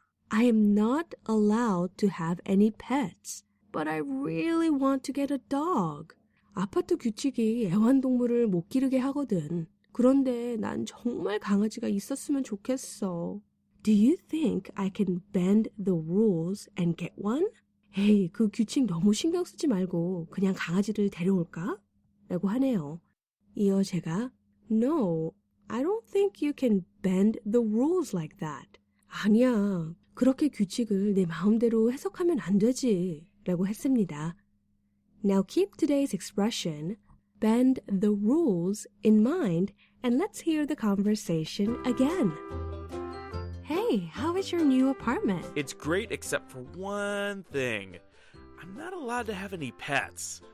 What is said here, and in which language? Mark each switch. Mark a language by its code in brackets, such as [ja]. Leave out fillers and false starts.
[en] I am not allowed to have any pets, but I really want to get a dog. [ko] 아파트 규칙이 애완동물을 못 기르게 하거든. 그런데 난 정말 강아지가 있었으면 좋겠어. [en] Do you think I can bend the rules and get one? [ko] 에이, 그 규칙 너무 신경 쓰지 말고 그냥 강아지를 데려올까? 라고 하네요. 이어 제가 [en] No, I don't think you can bend the rules like that. [ko] 아니야, 그렇게 규칙을 내 마음대로 해석하면 안 되지. 라고 했습니다. [en] Now keep today's expression, bend the rules, in mind, and let's hear the conversation again. Hey, how is your new apartment? It's great except for one thing. I'm not allowed to have any pets.